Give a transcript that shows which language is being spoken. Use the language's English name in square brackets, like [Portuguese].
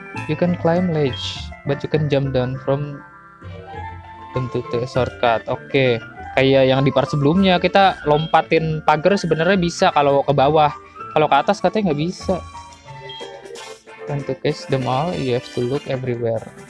[English] You can climb ledge, but you can jump down from them to the shortcut. Oke. Okay. [Indonesian] Kayak yang di part sebelumnya, kita lompatin pagar sebenarnya bisa kalau ke bawah. Kalau ke atas katanya nggak bisa. [English] And to catch them all, you have to look everywhere.